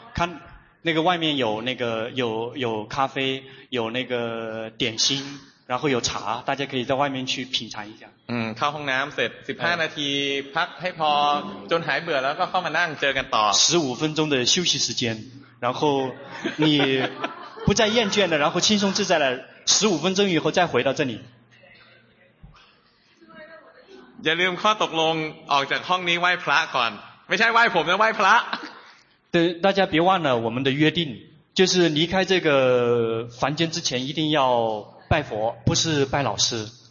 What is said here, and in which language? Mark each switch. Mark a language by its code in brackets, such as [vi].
[zh] ขั้น那个外面有那个有咖啡有那个点心然后有茶大家可以在外面去品尝一下 [th] เข้าห้องน้ำเสร็จ15นาทีพักให้พอจนหายเบื่อแล้วก็เข้ามานั่งเจอกันต่อ [zh] 15分钟的休息时间然后你不再厌倦了然后轻松自在了15分钟以后再回到这里 [th] อย่าลืมข้อตกลงออกจากห้องนี้ไหว้พระก่อนไม่ใช่ไหว้ผมนะไหว้พระ [zh] 对大家别忘了我们的约定就是离开这个房间之前一定要拜佛不是拜老师